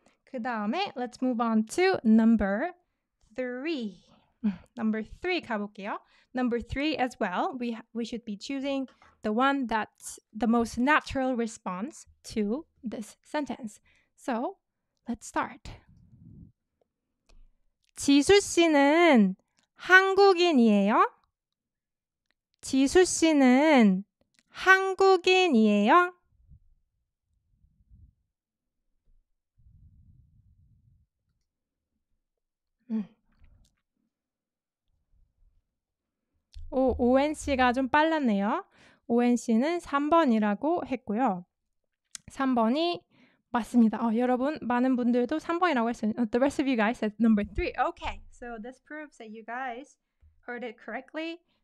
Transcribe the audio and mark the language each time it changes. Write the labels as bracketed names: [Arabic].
[Korean] 그 다음에 [English] let's move on to number three. Number three [Korean] 가볼게요. [English] Number three as well, we should be choosing the one that's the most natural response to this sentence. So, let's start. [Korean] 지수 씨는 한국인이에요? 지수 씨는 한국인이에요? 오웬 씨가 좀 빨랐네요. 오웬 씨는 3번이라고 했고요. 3번이 맞습니다. 여러분, 많은 분들도 3번이라고 했어요. [English] The rest of you guys said number 3. Okay, so this proves that you guys heard it correctly.